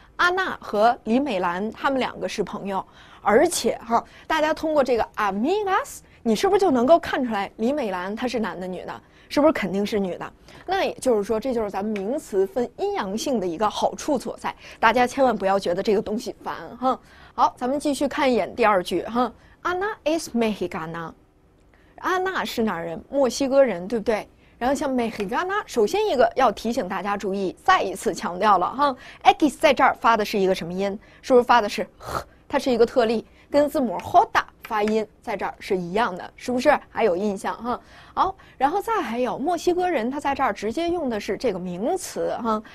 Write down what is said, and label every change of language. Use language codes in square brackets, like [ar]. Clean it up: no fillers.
[zh] 安娜和李美兰他们两个是朋友，而且哈，大家通过这个 amigas， 你是不是就能够看出来李美兰她是男的女的？是不是肯定是女的？那也就是说，这就是咱们名词分阴阳性的一个好处所在。大家千万不要觉得这个东西烦哈。好，咱们继续看一眼第二句哈。 [es] Ana es mexicana， [zh] 安娜是哪人？墨西哥人，对不对？然后像 mexicana， 首先一个要提醒大家注意，再一次强调了哈 ，x 在这儿发的是一个什么音？是不是发的是 h？ 它是一个特例，跟字母 hoda。发音在这儿是一样的，是不是？还有印象哈？好，然后再还有墨西哥人，他在这儿直接用的是这个名词哈。